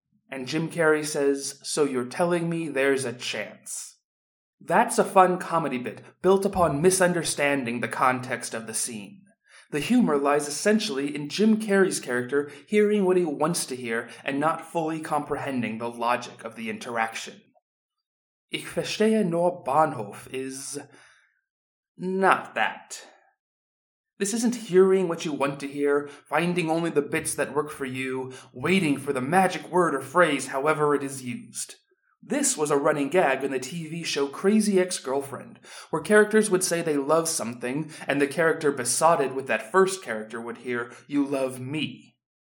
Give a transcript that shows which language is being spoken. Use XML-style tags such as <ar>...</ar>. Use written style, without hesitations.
<en>And Jim Carrey says, so you're telling me there's a chance. That's a fun comedy bit built upon misunderstanding the context of the scene. The humor lies essentially in Jim Carrey's character hearing what he wants to hear and not fully comprehending the logic of the interaction.</en> <de>Ich verstehe nur Bahnhof</de> <en>is... not that. This isn't hearing what you want to hear, finding only the bits that work for you, waiting for the magic word or phrase however it is used. This was a running gag in the TV show Crazy Ex-Girlfriend, where characters would say they love something, and the character besotted with that first character would hear, "You love me."</en>